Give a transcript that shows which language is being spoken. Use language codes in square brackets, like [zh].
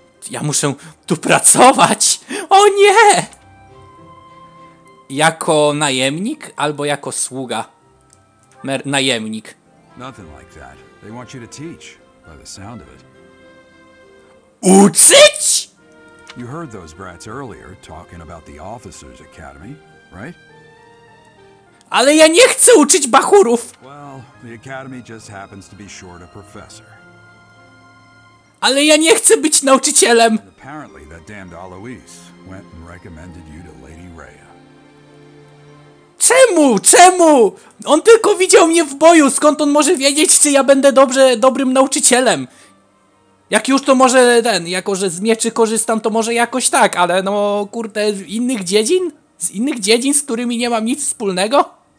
[pl] Ja muszę tu pracować! O nie! Jako najemnik albo jako sługa? Najemnik. [en] Nothing like that. They want you to teach, by the sound of it. [pl] Uczyć? [en] You heard those brats earlier talking about the Officers Academy, right? [pl] Ale ja nie chcę uczyć bachurów! [en] Well, the Academy just happens to be short a professor. [pl] Ale ja nie chcę być nauczycielem! [en] And apparently that damned Alois went and recommended you to Lady Rhea. [pl] Czemu? Czemu? On tylko widział mnie w boju, skąd on może wiedzieć, czy ja będę dobrym nauczycielem? Jak już to może ten, jako że z mieczy korzystam, to może jakoś tak, ale no kurde, z innych dziedzin, z którymi nie mam nic wspólnego?